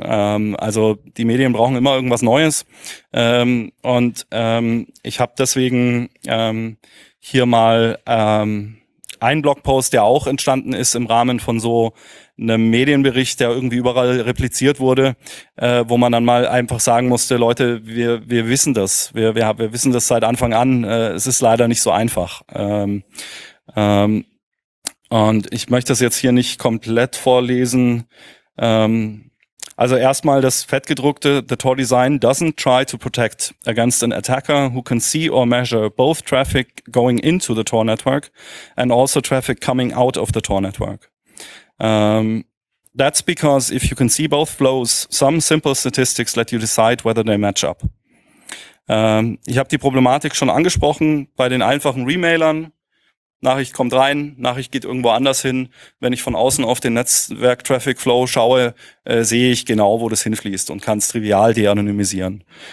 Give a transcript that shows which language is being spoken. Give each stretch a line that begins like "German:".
German: Also die Medien brauchen immer irgendwas Neues. Ich habe deswegen hier mal einen Blogpost, der auch entstanden ist im Rahmen von so einem Medienbericht, der irgendwie überall repliziert wurde, wo man dann mal einfach sagen musste, Leute, wir wissen das. Wir wissen das seit Anfang an. Es ist leider nicht so einfach. Und ich möchte das jetzt hier nicht komplett vorlesen. Also erstmal das fettgedruckte,
English: the Tor design doesn't try to protect against an attacker who can see or measure both traffic going into the Tor network and also traffic coming out of the Tor network. That's because if you can see both flows, some simple statistics let you decide whether they match up.
German: Ich habe die Problematik schon angesprochen bei den einfachen Remailern. Nachricht kommt rein, Nachricht geht irgendwo anders hin. Wenn ich von außen auf den Netzwerk-Traffic-Flow schaue, sehe ich genau, wo das hinfließt und kann es trivial de-anonymisieren.